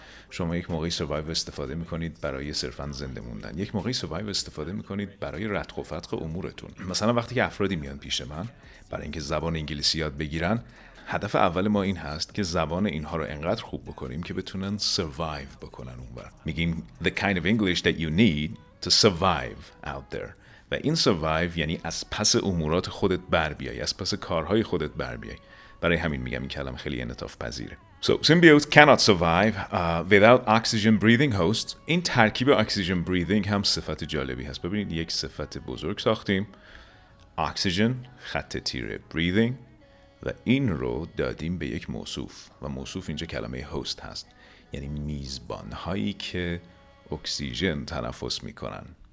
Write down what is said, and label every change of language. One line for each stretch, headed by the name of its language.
Persian: شما یک موقعی سروایو استفاده میکنید برای صرفاً زنده موندن، یک موقعی سروایو استفاده میکنید برای رتق و فتق امورتون. مثلا وقتی که افرادی میان پیش من برای اینکه زبان انگلیسی یاد بگیرن، هدف اول ما این هست که زبان اینها رو انقدر خوب بکنیم که بتونن سروایو بکنن اونور. میگیم
English: the kind of English that you need to survive out there.
Persian: و این survive یعنی از پس امورات خودت بر بیای، از پس کارهای خودت بر بیای. برای همین میگم این کلمه خیلی انعطاف پذیره.
English: So symbiotes cannot survive without oxygen breathing host.
Persian: این ترکیب oxygen breathing هم صفت جالبی هست. ببینید یک صفت بزرگ ساختیم، oxygen خط تیره breathing، و این رو دادیم به یک موصوف و موصوف اینجا کلمه host هست، یعنی میزبانهایی که اکسیژن تنفس میکنن.